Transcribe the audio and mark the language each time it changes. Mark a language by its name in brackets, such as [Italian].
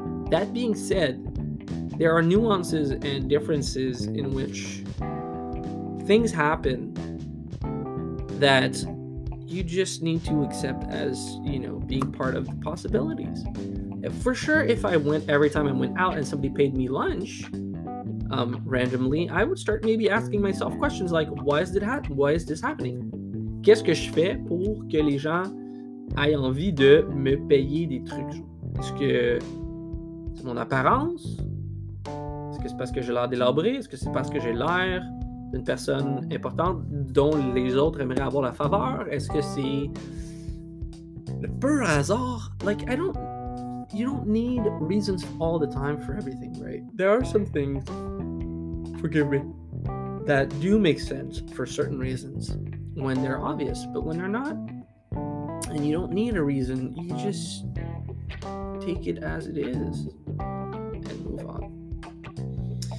[English] That being said, there are nuances and differences in which things happen that you just need to accept as, you know, being part of the possibilities. For sure, if I went every time I went out and somebody paid me lunch randomly, I would start maybe asking myself questions like, why is this happening? [French] Qu'est-ce que je fais pour que les gens aient envie de me payer des trucs? Est-ce que c'est mon apparence? Est-ce que c'est parce que j'ai l'air délabré? Est-ce que c'est parce que j'ai l'air d'une personne importante dont les autres aimeraient avoir la faveur? Est-ce que c'est le pur hasard? [English] Like, you don't need reasons all the time for everything, right? There are some things, forgive me, that do make sense for certain reasons when they're obvious, but when they're not, and you don't need a reason, you just take it as it is and move on.